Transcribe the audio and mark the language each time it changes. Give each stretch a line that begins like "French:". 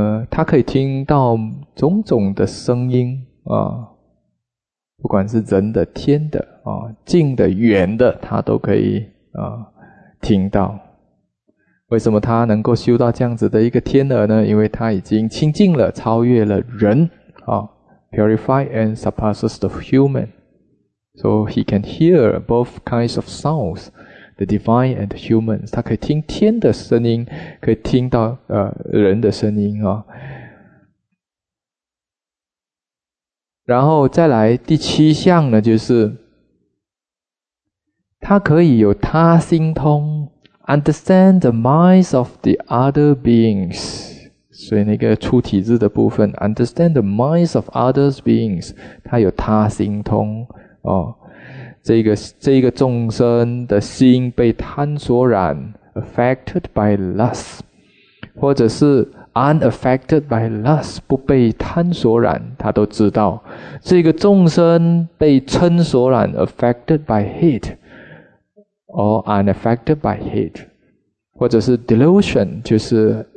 Chinese: 它可以听到种种的声音不管是人的、天的近的、远的，它都可以听到。为什么它能够修到这样子的一个天耳呢？因为它已经清净了，超越了人。
English: Purify and surpasses the human, so he can hear both kinds of sounds, the divine and the human.
Chinese: 他可以听天的声音，可以听到人的声音然后再来第七项呢，就是他可以有他心通，
English: understand the minds of the other beings。
Chinese: 所以那个出体字的部分，
English: understand the minds of others beings，
Chinese: 它有他心通哦，这个众生的心被贪所染，
English: affected by lust，
Chinese: 或者是
English: unaffected by lust，
Chinese: 不被贪所染，他都知道。这个众生被嗔所染，
English: affected by hate or unaffected by hate，
Chinese: 或者是 delusion，就是。